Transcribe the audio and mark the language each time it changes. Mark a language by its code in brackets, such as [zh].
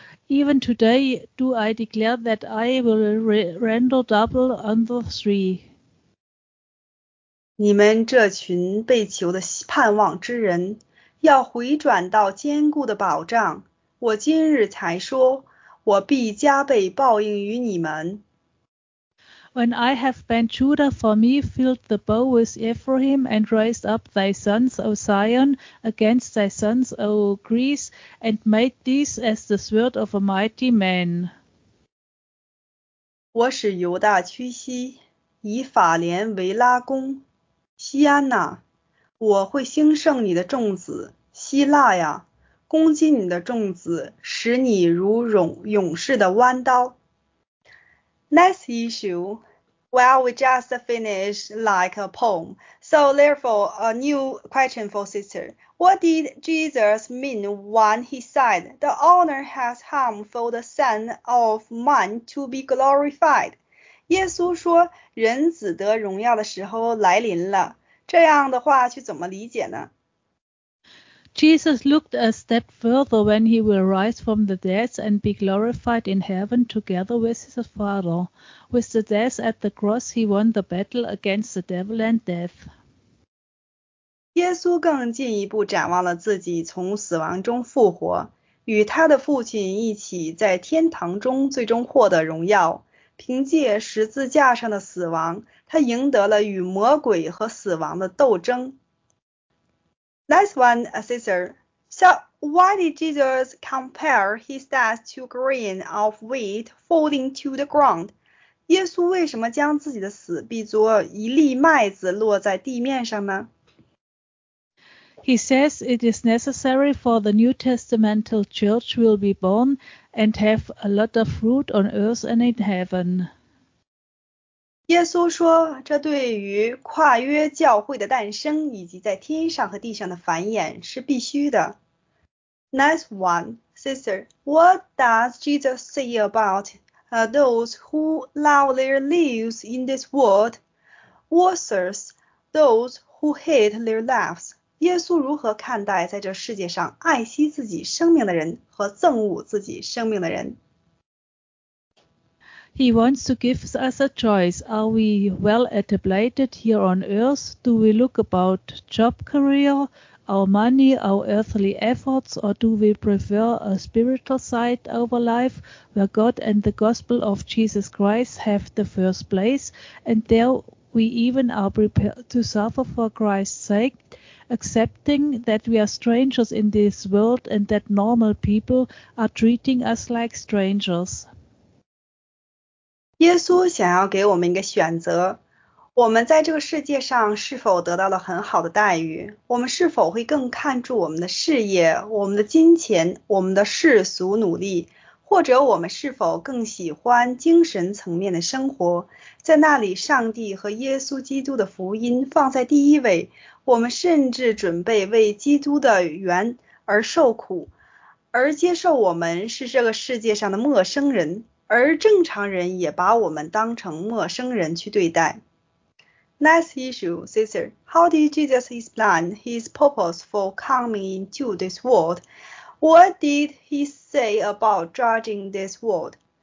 [en] Even today do I declare that I will render double unto thee. [zh] 你们这群被囚的盼望之人，要回转到坚固的保障。我今日才说，我必加倍报应于你们。 [en] When I have bent Judah for me, filled the bow with Ephraim, and raised up thy sons, O Zion, against thy sons, O Greece, and made these as the sword of a mighty man. [zh] 我使犹大屈膝，以法莲为拉弓。西安呐，我会兴盛你的种子，希腊呀，攻击你的种子，使你如勇士的弯刀。 [en] Next issue. Well, we just finished like a poem. So therefore, a new question for sister. What did Jesus mean when he said, the honor has come for the Son of Man to be glorified? [zh] 耶稣说，人子得荣耀的时候来临了。这样的话去怎么理解呢？ [en] Jesus looked a step further when he will rise from the dead and be glorified in heaven together with his Father. With the death at the cross, he won the battle against the devil and death. [zh] 耶稣更进一步展望了自己从死亡中复活，与他的父亲一起在天堂中最终获得荣耀。凭借十字架上的死亡，他赢得了与魔鬼和死亡的斗争。 [en] Next one, sister. So, why did Jesus compare his death to grain of wheat falling to the ground? [zh] 耶稣为什么将自己的死比作一粒麦子落在地面上呢？ [en] He says it is necessary for the New Testamental church will be born and have a lot of fruit on earth and in heaven. [zh] 耶稣说，这对于跨越教会的诞生以及在天上和地上的繁衍是必须的。 [en] Next one, sister, what does Jesus say about those who love their lives in this world versus those who hate their lives? [zh] 耶稣如何看待在这世界上爱惜自己生命的人和憎恶自己生命的人？ [en] He wants to give us a choice. Are we well etablated here on earth? Do we look about job career, our money, our earthly efforts, or do we prefer a spiritual side over life where God and the gospel of Jesus Christ have the first place, and there we even are prepared to suffer for Christ's sake, accepting that we are strangers in this world and that normal people are treating us like strangers? [zh] 耶稣想要给我们一个选择，我们在这个世界上是否得到了很好的待遇？我们是否会更看重我们的事业、我们的金钱、我们的世俗努力，或者我们是否更喜欢精神层面的生活？在那里，上帝和耶稣基督的福音放在第一位，我们甚至准备为基督的缘而受苦，而接受我们是这个世界上的陌生人。而正常人也把我们当成陌生人去对待。 [en] Next issue, sister. How did Jesus explain his purpose for coming into this world? What did he say about judging this world?